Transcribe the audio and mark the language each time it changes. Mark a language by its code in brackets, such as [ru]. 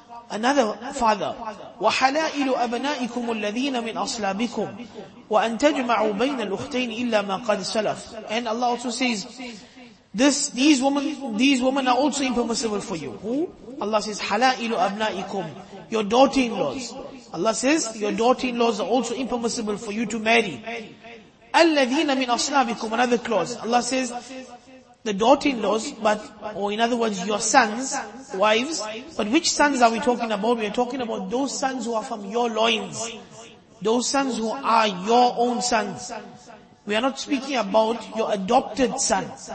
[en] another father. [ar] وَحَلَائِلُ أَبْنَائِكُمُ الَّذِينَ مِنْ أَصْلَابِكُمْ وَأَنْ تَجْمَعُوا بَيْنَ الْأُخْتَيْنِ إِلَّا مَا قَدْ سَلَفْ. [en] And Allah also says, these women are also impermissible for you. Who? Allah says, [ar] حَلَائِلُ أَبْنَائِكُمْ, [en] your daughter-in-laws. Allah says, your daughter-in-laws are also impermissible for you to marry. [ar] أَلَّذِينَ مِنْ أَصْلَابِكُمْ, [en] another clause. Allah says, the daughter-in-laws, but, or in other words, your sons, wives. But which sons are we talking about? We are talking about those sons who are from your loins. Those sons who are your own sons. We are not speaking about your adopted son.